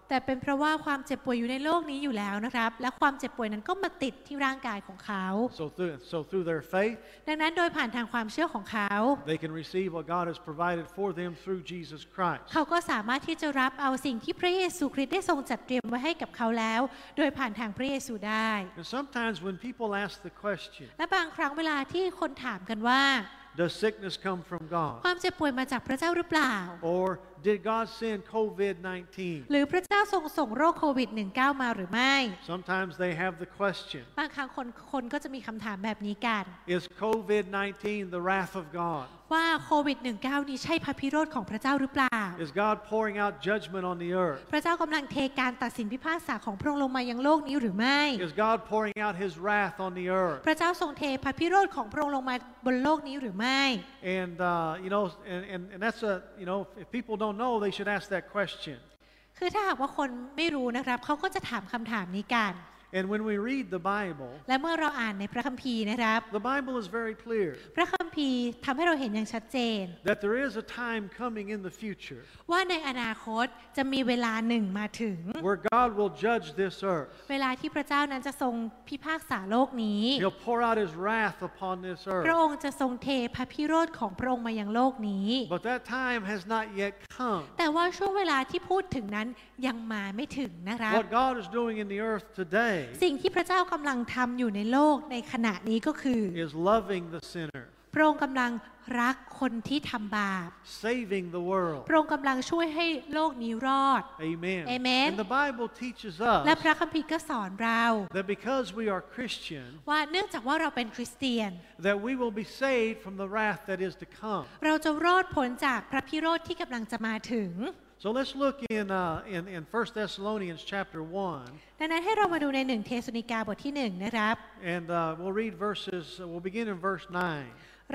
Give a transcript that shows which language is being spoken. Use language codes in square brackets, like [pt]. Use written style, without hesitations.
[th] แต่เป็นเพราะว่าความเจ็บป่วยอยู่ในโลกนี้อยู่แล้วนะครับและความเจ็บป่วยนั้นก็มาติดที่ร่างกายของเขา [en] So through their faith [th] ดังนั้นโดยผ่านทางความเชื่อของเขา [en] They can receive what God has provided for them through Jesus Christ [th] เขาก็สามารถที่จะรับเอาสิ่งที่พระเยซูคริสต์ได้ทรงจัดเตรียมไว้ให้กับเขาแล้วโดยผ่านทางพระเยซูได้ [en] And sometimes when people ask the question [th] และบางครั้งเวลาที่คนถามกันว่า [en] The sickness come from God. [th] ความเจ็บป่วยมาจากพระเจ้าหรือเปล่า [en] Or did God send COVID-19? [th] หรือพระเจ้าทรงส่งโรคโควิด-19 มาหรือไม่ [en] Sometimes they have the question. [th] บางครั้งคนก็จะมีคำถามแบบนี้กัน [en] Is COVID-19 the wrath of God? [th] ว่าโควิด-19 นี้ใช่พระพิโรธของพระเจ้าหรือเปล่า [en] Is God pouring out judgment on the earth? [th] พระเจ้ากำลังเทการตัดสินพิพากษาของพระองค์ลงมายังโลกนี้หรือไม่ [en] Is God pouring out His wrath on the earth? [th] พระเจ้าทรงเทพระพิโรธของพระองค์ลงมาบนโลกนี้หรือไม่ [en] And that's a you know if people don't know they should ask that question. [th] คือถ้าหากว่าคนไม่รู้นะครับเขาก็จะถามคำถามนี้กัน [en] And when we read the Bible, [th] และเมื่อเราอ่านในพระคัมภีร์นะครับ [en] the Bible is very clear. [th] พระคัมภีร์ทำให้เราเห็นอย่างชัดเจน [en] that there is a time coming in the future. [th] ว่าในอนาคตจะมีเวลาหนึ่งมาถึง [en] where God will judge this earth. [th] เวลาที่พระเจ้านั้นจะทรงพิพากษาโลกนี้ [en] He'll pour out His wrath upon this earth. [th] พระองค์จะทรงเทพระพิโรธของพระองค์มายังโลกนี้ [en] but that time has not yet come. [th] แต่ว่าช่วงเวลาที่พูดถึงนั้นยังมาไม่ถึงนะครับ [en] what God is doing in the earth today. [th] สิ่งที่พระเจ้ากำลังทำอยู่ในโลกในขณะนี้ก็คือ [en] is loving the sinner [th] พระองค์กำลังรักคนที่ทำบาป [en] saving the world [th] พระองค์กำลังช่วยให้โลกนี้รอด [en] amen amen and the bible teaches us [th] และพระคัมภีร์ก็สอนเรา [en] that because we are christian [th] ว่าเนื่องจากว่าเราเป็นคริสเตียน [en] that we will be saved from the wrath that is to come [th] เราจะรอดพ้นจากพระพิโรธที่กำลังจะมาถึง [en] So let's look in 1 Thessalonians chapter 1. [th] ดังนั้นให้เรามาดูใน1เทสะโลนิกาบทที่1นะครับ [en] And we'll read verses we'll begin in verse 9.